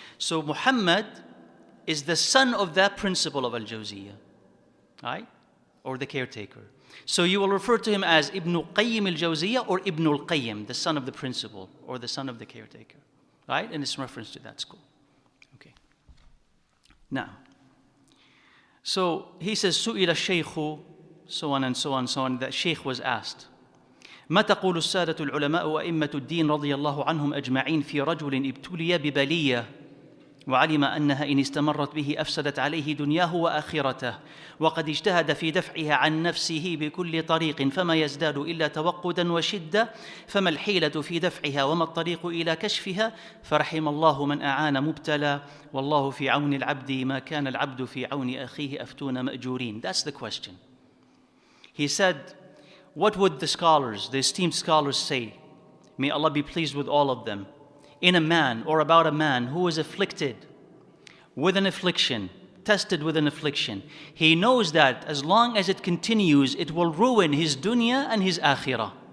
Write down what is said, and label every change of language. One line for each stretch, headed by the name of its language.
English: So Muhammad is the son of that principal of al-Jawziyya, right? Or the caretaker. So you will refer to him as Ibn Qayyim al-Jawziyya or Ibn al-Qayyim, the son of the principal or the son of the caretaker, right? And it's in reference to that school. Okay. Now, so he says, Su'ila shaykhu, so on and so on and so on, that shaykh was asked,
Arabic: مَتَ قُولُ السَّادَةُ الْعُلَمَاءُ وَأِمَّةُ الدِّينِ رَضِيَ اللَّهُ عَنْهُمْ أَجْمَعِينَ فِي رَجُلٍ إِبْتُلِيَ بِبَلِيَّةٍ وعلم أنها إن استمرت به أفسدت عليه دنياه وآخرته وقد اجتهد في دفعها عن نفسه بكل طريق فما يزداد إلا توقدا وشدة فما الحيلة في دفعها وما الطريق إلى كشفها فرحم الله من أعان مبتلى والله في عون العبد ما كان العبد في عون أخيه أفتون مأجورين.
English: That's the question. He said, what would the scholars, the esteemed scholars say? May Allah be pleased with all of them. In a man or about a man who is afflicted with an affliction, tested with an affliction, he knows that as long as it continues, it will ruin his dunya and his akhirah.